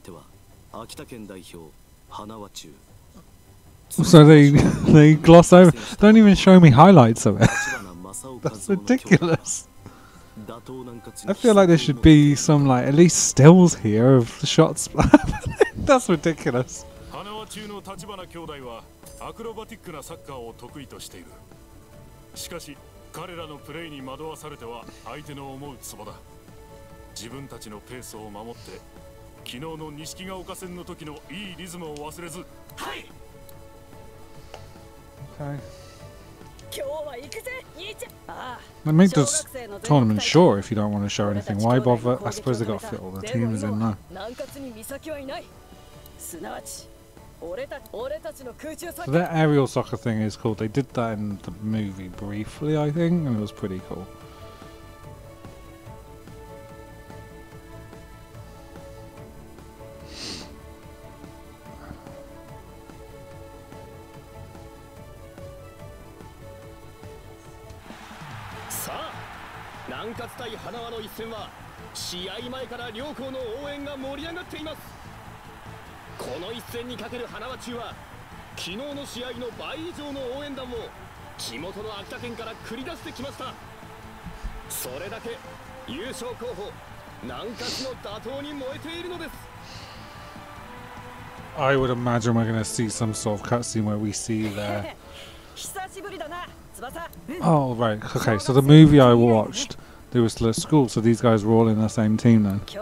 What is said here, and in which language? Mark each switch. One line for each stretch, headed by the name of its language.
Japanese: この試合、1回戦で怪我をした翼を休ませようと南葛の選手たちが奮起。その結果、試合は6対0で南葛中が勝利。危なげなく次戦へと進んだ。そして3回戦の相手は秋田県代表花輪中。
English: So they gloss over, don't even show me highlights of it. That's ridiculous. I feel like there should be some, like, at least stills here of the shots. That's ridiculous.
Japanese: Hanawa中の立花兄弟はアクロバティックなサッカーを得意としている。しかし彼らのプレーに惑わされては相手の思うツボだ。自分たちのペースを守って昨日の錦ヶ丘戦の時のいいリズムを忘れず。
English: They make this tournament short if you don't want to show anything. Why bother? I suppose they got to fit all the teams in there. So their aerial soccer thing is cool. They did that in the movie briefly, I think, and it was pretty cool.
Japanese: この一戦にかける花輪中は昨日の試合の倍以上の応援団を地元の秋田県から繰り出してきました。それだけ優勝候補南下市の打倒に燃えているのです。
English: I would imagine we're going to see some sort of cutscene where we see the... Oh, right. Okay, so the movie I watched, there was the school, so these guys were all in the same team then.